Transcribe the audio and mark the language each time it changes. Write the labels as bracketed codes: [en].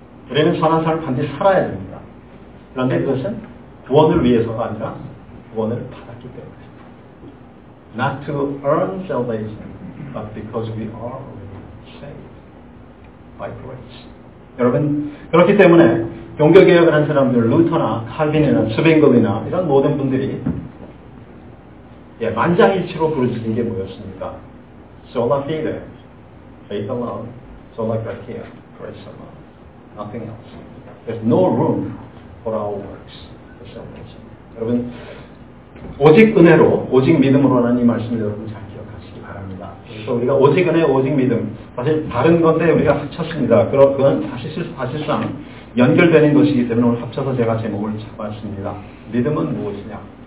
[ko] 우리는 선한 삶을 반드시 살아야 됩니다. 그런데 그것은 구원을 위해서가 아니라 구원을 받았기 때문입니다. [en] Not to earn salvation, but because we are already saved by grace. [ko] 여러분, 그렇기 때문에 종교개혁을 한 사람들, 루터나 칼빈이나 스뱅글이나 이런 모든 분들이 만장일치로 부르짖은 게 뭐였습니까? [la] Sola fide, [en] faith alone, [la] sola gratia, [en] grace alone. Nothing else. There's no room for our works for salvation. [ko] 여러분, 오직 은혜로, 오직 믿음으로라는 이 말씀을 여러분 잘 기억하시기 바랍니다. 그래서 우리가 오직 은혜, 오직 믿음, 사실 다른 건데 우리가 합쳤습니다. 그건 사실상 연결되는 것이기 때문에 오늘 합쳐서 제가 제목을 잡았습니다. 믿음은 무엇이냐?